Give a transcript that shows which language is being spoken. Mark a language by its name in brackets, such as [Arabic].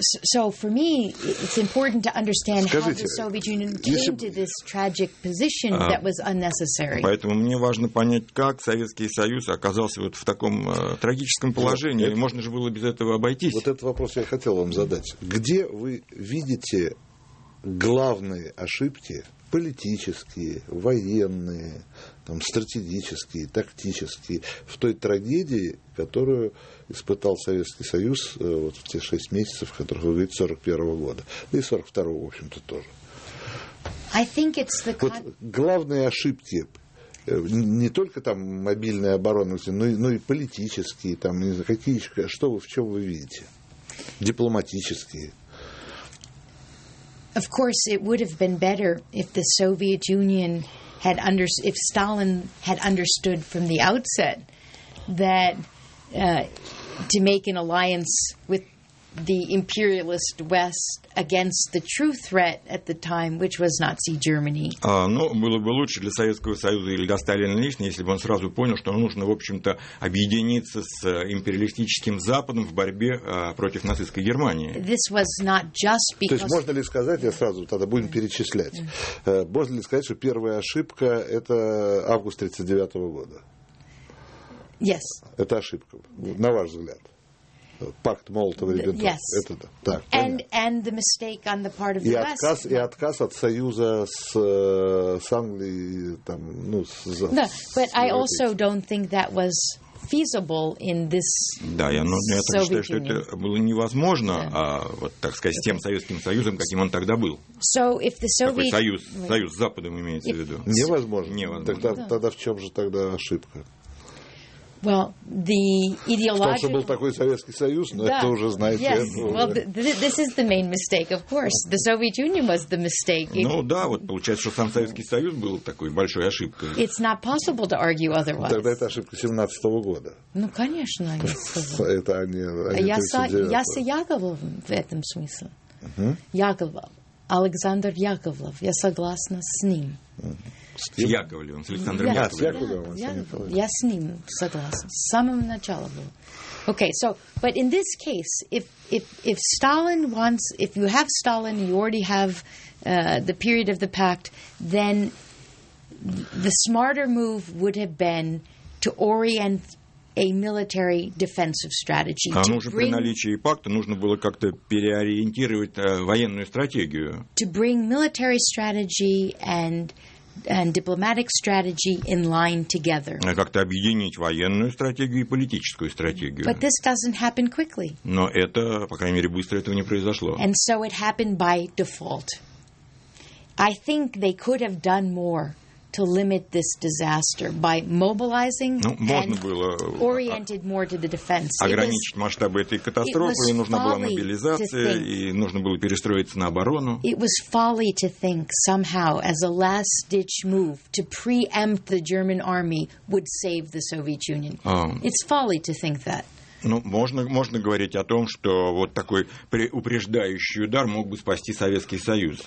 [English] So for me, it's important to understand how the Soviet Union came to this tragic position that was unnecessary. [Russian] Поэтому мне важно понять, как Советский Союз оказался вот в таком трагическом положении. Можно же было без этого обойтись. Вот этот вопрос я хотел вам задать. Где вы видите главные ошибки, политические, военные, там, стратегические, тактические, в той трагедии, которую испытал Советский Союз вот в те 6 месяцев, которых вы говорите, 41-го года, и 42-го, в общем-то, тоже. [English] I think it's the... [Russian] Вот главные ошибки, не только там мобильная оборона, но и политические, там, не знаю, какие, что вы, в чем вы видите, дипломатические. [English] Of course, it would have been better if the Soviet Union had if Stalin had understood from the outset that to make an alliance with the imperialist West against the true threat at the time, which was Nazi Germany. [Russian] Ну, было бы лучше для Советского Союза или для Сталина лично, если бы он сразу понял, что нужно, в общем-то, объединиться с империалистическим Западом в борьбе против нацистской Германии. [English] This was not just because... [Russian] То есть можно ли сказать, я сразу тогда будем перечислять, можно ли сказать, что первая ошибка – это август 1939 года? [English] Yes. [Russian] Это ошибка, на ваш взгляд? Пакт Молотова-Риббентропа. [English] Yes. [Russian] Это, да. Так, [English] and the mistake on the part of the West. [Russian] Отказ, и отказ от союза с Англией, там, ну, с Западом. [English] No, but I also don't think that was feasible in this [Russian] Да, я, ну, я так считаю, что это было невозможно, а вот, так сказать, с тем Советским Союзом, каким он тогда был. [English] So if the Soviet... [Russian] Какой союз? Союз с Западом имеется в виду. Невозможно. Невозможно. Тогда, [English] no. [Russian] тогда в чем же тогда ошибка? [English] Well, the ideological... [Russian] Что был такой Советский Союз, но да. это уже знаете. [English] Yes, [Russian] уже. [English] Well, this is the main mistake, of course. The Soviet Union was the mistake. [Russian] Ну да, вот получается, что сам Советский Союз был такой большой ошибкой. [English] It's not possible to argue otherwise. [Russian] Тогда это ошибка 17-го года. Ну, конечно, они сказали. Это они... Я с Яковлевым в этом смысле. Яковлев. Александр Яковлев. Я согласна с ним. С Яковлевым, с Александром Яковлевым. Я с ним согласна. С самого начала было. [English] Okay, so, but in this case, if Stalin wants, if you have Stalin, you already have the period of the pact, then the smarter move would have been to orient a military defensive strategy. [Russian] А нужно при наличии пакта нужно было как-то переориентировать военную стратегию. [English] To bring military strategy and diplomatic strategy in line together. [Russian] Как-то объединить военную стратегию и политическую стратегию. [English] But this doesn't happen quickly. [Russian] Но это, по крайней мере, быстро этого не произошло. [English] And so it happened by default. I think they could have done more to limit this disaster by mobilizing and oriented more to the defense. [Russian] Ограничить масштабы этой катастрофы, и нужна была мобилизация, и нужно было перестроиться на оборону. [English] It was folly to think somehow as a last-ditch move to preempt the German army would save the Soviet Union. It's folly to think that. [Russian] Ну, можно говорить о том, что вот такой упреждающий удар мог бы спасти Советский Союз.